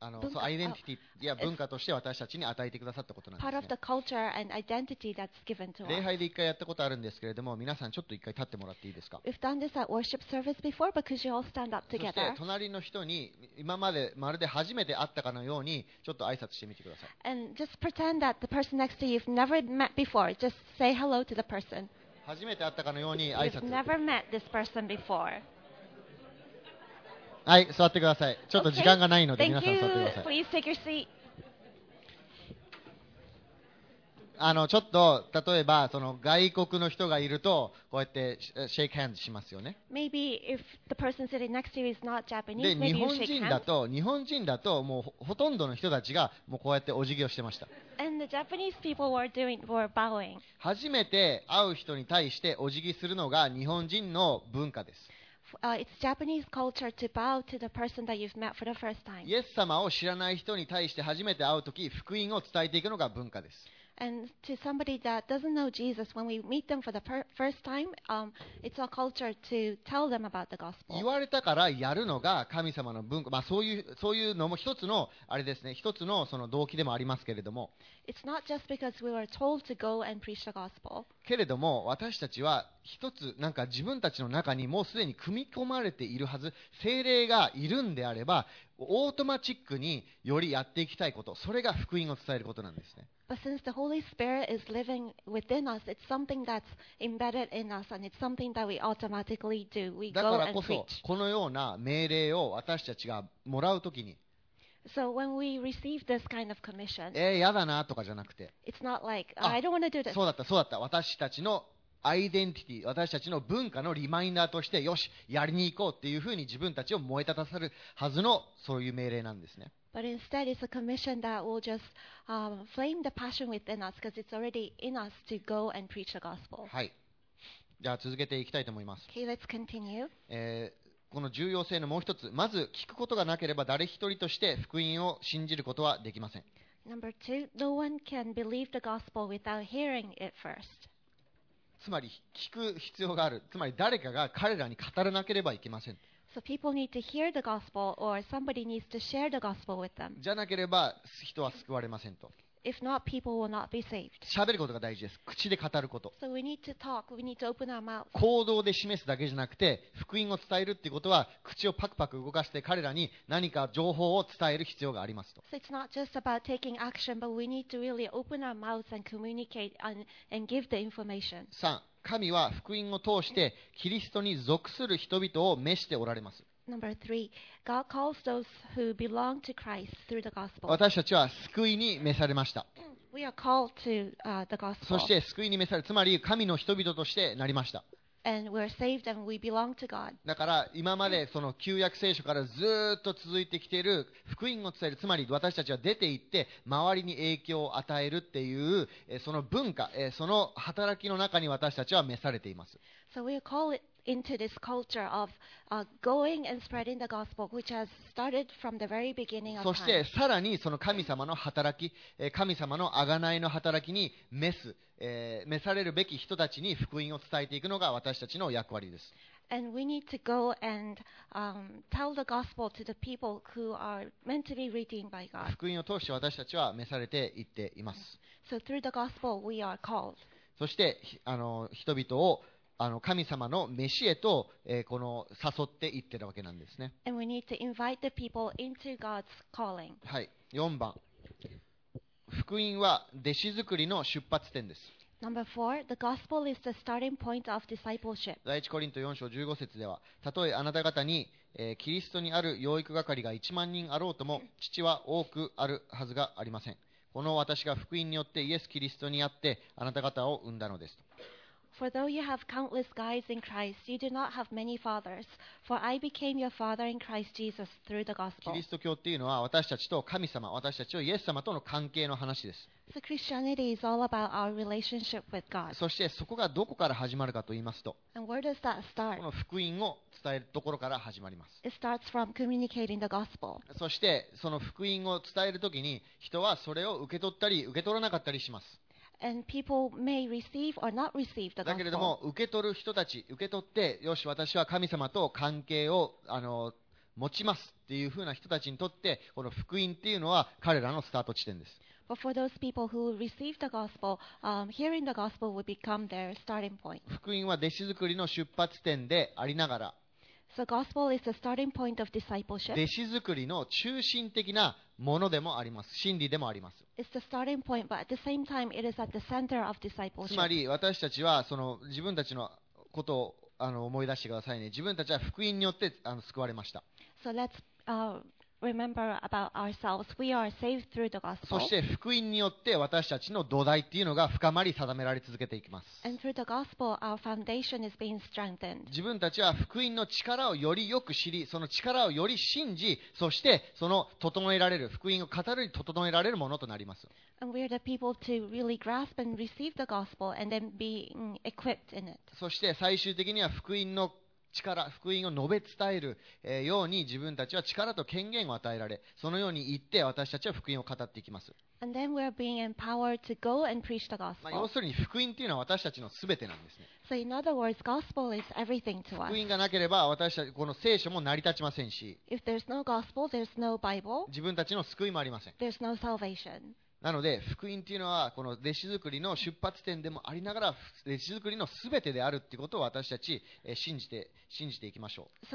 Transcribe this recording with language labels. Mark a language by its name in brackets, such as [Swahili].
[Japanese] そう、アイデンティティ、いや文化として私たちに与えてくださったことなんですね。 [English] Part of the culture and identity that's given to us. [Japanese] 礼拝で一回やったことあるんですけれども、皆さんちょっと一回立ってもらっていいですか。 [English] We've done this at worship service before, but could you all stand up together? [Japanese] そして隣の人に今までまるで初めて会ったかのようにちょっと挨拶してみてください。 [English] And just pretend that the person next to you you've never met before. Just say hello to the person. [Japanese] 初めて会ったかのように挨拶。 [English] You've never met this person before. [Japanese] はい、座ってください。ちょっと時間がないので、 okay. 皆さん座ってください。 [English] Please take your seat. [Japanese] ちょっと例えばその外国の人がいるとこうやってシェイクハンズしますよね。 [English] Maybe if the person sitting next to you is not Japanese, [Japanese] で日本人だと、日本人だともう ほとんどの人たちがもうこうやってお辞儀をしてました。 [English] And the Japanese people were bowing. [Japanese] 初めて会う人に対してお辞儀するのが日本人の文化です。 [English] It's Japanese culture to bow to the person that you've met for the first time. [Japanese] イエス様を知らない人に対して初めて会うとき、福音を伝えていくのが文化です。 [English] And to somebody that doesn't know Jesus, when we meet them for the first time, it's our culture to tell them about the gospel. [Japanese] 言われたからやるのが神様の文化、まあ、そういうのも一つのあれですね、一つのその動機でもありますけれども。 [English] It's not just because we were told to go and preach the gospel. [Japanese] けれども私たちは一つなんか自分たちの中にもうすでに組み込まれているはず、聖霊がいるんであれば、オートマチックによりやっていきたいこと、それが福音を伝えることなんですね。 [English] But since the Holy Spirit is living within us, it's something that's embedded in us, and it's something that we automatically do. We go and preach. [Japanese] だからこそこのような命令を私たちがもらうときに、 [English] So when we receive this kind of commission, [Japanese] やだなとかじゃなくて、 [English] It's not like、oh, I don't want to do this. [Japanese] そうだったそうだった、私たちのアイデンティティ、私たちの文化のリマインダーとして、よしやりに行こうっていうふうに自分たちを燃え立たせるはずのそういう命令なんですね。 [English] But instead, it's a commission that will just flame the passion within us because it's already in us to go and preach the gospel. [Japanese] はい。じゃあ続けていきたいと思います。 [English] Okay, let's continue. [Japanese] この重要性のもう一つ、まず聞くことがなければ誰一人として福音を信じることはできません。 [English] Number two, no one can believe the gospel without hearing it first. [Japanese] つまり聞く必要がある。つまり誰かが彼らに語らなければいけません。 [English] So people need to hear the gospel, or somebody needs to share the gospel with them. [Japanese] じゃなければ人は救われませんと。 [English] If not, people will not be saved. [Japanese] 喋ることが大事です。口で語ること。 [English] So we need to talk. We need to open our mouth. [Japanese] 行動で示すだけじゃなくて、福音を伝えるっていうことは、口をパクパク動かして彼らに何か情報を伝える必要がありますと。 [English] So it's not just about taking action, but we need to really open our mouths and communicate and give the information. [Japanese] 3神は福音を通してキリストに属する人々を召しておられます。 [English] Number three, God calls those who belong to Christ through the gospel. [Japanese] 私たちは救いに召されました。 [English] We are called to, the gospel. [Japanese] そして救いに召され、つまり神の人々としてなりました。 [English] And we're saved and we belong to God. [Japanese] だから今までその旧約聖書からずっと続いてきている福音を伝える、つまり私たちは出て行って周りに影響を与えるっていうその文化、その働きの中に私たちは召されています。 [English] So we call it into this culture of going and spreading the gospel which has started from the very beginning of time. [Japanese] そしてさらにその神様の働き、神様の贖いの働きに召す、召されるべき人たちに福音を伝えていくのが私たちの役割です。 [English] And we need to go and tell the gospel to the people who are meant to be redeemed by God. [Japanese] 福音を通して私たちは召されていっています。 [English] So through the gospel we are called. [Japanese] そしてあの人々を神様の召しへと、この誘っていってるわけなんですね。 [English] And we need to invite the people into God's calling. [Japanese] はい、4番。福音は弟子作りの出発点です。 [English] Number four, the gospel is the starting point of discipleship. [Japanese] 第一コリント4章15節では、たとえあなた方に、キリストにある養育係が1万人あろうとも、父は多くあるはずがありません。この私が福音によってイエス・キリストにあってあなた方を産んだのですと。 [English] For though you have countless guides in Christ, you do not have many fathers. For I became your father in Christ Jesus through the gospel. [Japanese] キリスト教っていうのは私たちと神様、私たちをイエス様との関係の話です。 [English] So Christianity is all about our relationship with God. [Japanese] そしてそこがどこから始まるかと言いますと、 [English] And where does that start? [Japanese] この福音を伝えるところから始まります。 [English] It starts from communicating the gospel. [Japanese] そしてその福音を伝えるときに、人はそれを受け取ったり受け取らなかったりします。 [English] And people may receive or not receive the gospel. [Japanese] だけれども受け取る人たち、受け取ってよし私は神様と関係を持ちますっていうふうな人たちにとってこの福音っていうのは彼らのスタート地点です。 [English] But for those people who receive the gospel, hearing the gospel would become their starting point. [Japanese] 福音は弟子作りの出発点でありながら、 [English] So gospel is the starting point of discipleship. [Japanese] 弟子作りの中心的なものでもあります。真理でもあります。つまり私たちはその自分たちのことを思い出してくださいね。自分たちは福音によって救われました。 [English] So let's, remember about ourselves. We are saved through the gospel. [Japanese] そして福音によって私たちの土台っていうのが深まり定められ続けていきます。 [English] And through the gospel, our foundation is being strengthened. [Japanese] 自分たちは福音の力をよりよく知り、その力をより信じ、そしてその整えられる、福音を語るに整えられるものとなります。 [English] And we are the people to really grasp and receive the gospel and then being equipped in it. [Japanese] そして最終的には福音の力、福音を述べ伝える、ように自分たちは力と権限を与えられ、そのように言って私たちは福音を語っていきます。 [English] And then we are being empowered to go and preach the gospel. [Japanese] 要するに福音というのは私たちのすべてなんですね。 [English] So in other words, gospel is everything to us. [Japanese] 福音がなければ私たちこの聖書も成り立ちませんし、 [English] If there's no gospel, there's no Bible. [Japanese] 自分たちの救いもありません。 [English] There's no salvation. [Japanese] なので福音というのはこの弟子作りの出発点でもありながら弟子作りのすべてであるということを私たち信じていきましょう。